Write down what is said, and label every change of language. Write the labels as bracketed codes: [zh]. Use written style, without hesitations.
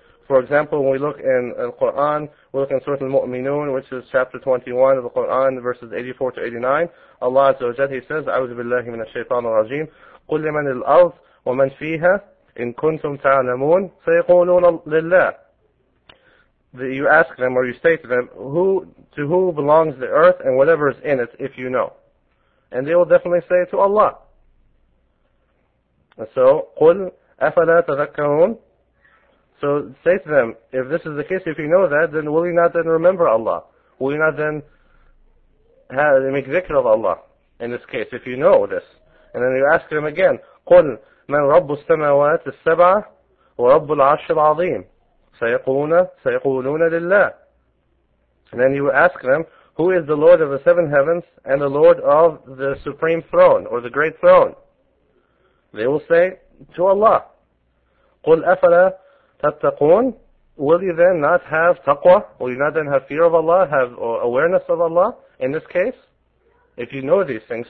[en] For example, when we look in Al-Qur'an, we look in Surah Al-Mu'minun, which is chapter 21 of the Qur'an, verses 84 to 89. Allah Azza wa Jalla says, [ar] أعوذ بالله من الشيطان الرجيم قل لمن الأرض ومن فيها إن كنتم تعلمون سيقولون لله. [en] You ask them, or you say to them, to who belongs the earth and whatever is in it, if you know. And they will definitely say to Allah. [ar] So, قل أفلا تذكرون. [en] So say to them, if this is the case, if you know that, then will you not then remember Allah? Will you not then have, make dhikr of Allah in this case, if you know this. And then you ask them again, [ar] قُلْ مَنْ رَبُّ السَّمَوَاتِ السَّبْعَ وَرَبُّ الْعَرْشِ الْعَظِيمِ سَيَقُولُونَ لِلَّهِ. [en] Then you ask them, who is the Lord of the seven heavens and the Lord of the supreme throne or the great throne? They will say, to Allah. [ar] قُلْ أَفَلَا تَتَّقُونَ. [en] Will you then not have taqwa? Will you not then have fear of Allah, have awareness of Allah in this case? If you know these things.